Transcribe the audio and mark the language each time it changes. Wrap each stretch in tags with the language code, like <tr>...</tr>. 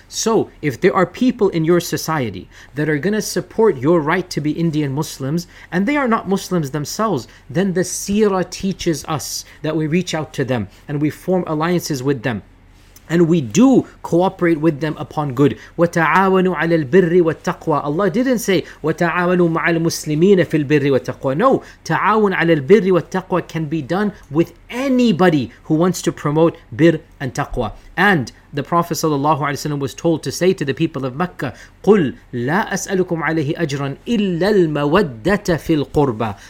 <en>So if there are people in your society that are going to support your right to be Indian Muslims, and they are not Muslims themselves, then the seerah teaches us that we reach out to them and we form alliances with them. And we do cooperate with them upon good.</en> <ar>وَتَعَاوَنُوا عَلَى الْبِرِّ وَالتَّقْوَى.</ar> <en>Allah didn't say,</en> <ar>وَتَعَاوَنُوا مَعَ الْمُسْلِمِينَ فِي الْبِرِّ وَالتَّقْوَى.</ar> <en>No,</en> <ar>تَعَاوَنُ عَلَى الْبِرِّ وَالتَّقْوَى</ar> <en>can be done with anybody who wants to promote birr and taqwa. And the Prophet sallallahu alaihi wasallam was told to say to the people of Mecca,</en> <ar>قُلْ لَا أَسْأَلُكُمْ عَلَيْهِ أَجْرًا إِلَّا الْمَوَدَّةَ فِي الْقُرْبَى.</ar>